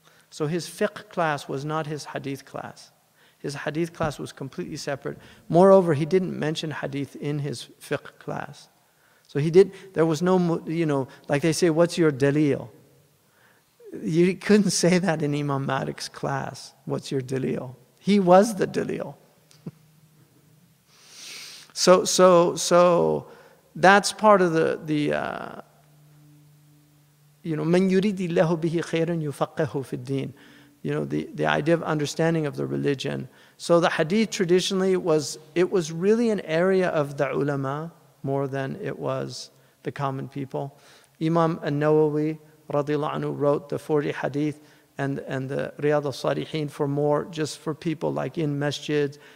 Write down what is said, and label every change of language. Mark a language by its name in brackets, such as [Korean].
[English] So his fiqh class was not his hadith class. His hadith class was completely separate. Moreover, he didn't mention hadith in his fiqh class. So he did. There was no, you know, like they say, what's your dalil? You couldn't say that in Imam Malik's class. What's your dalil? He was the dalil. So that's part of the [Arabic] من يريد الله به خيرا يفقهه في الدين. [English] You know, the idea of understanding of the religion. So the hadith traditionally was really an area of the ulama more than it was the common people. Imam An-Nawawi radiallahu anhu wrote the 40 hadith and the Riyad al-Salihin for more, just for people like in masjids.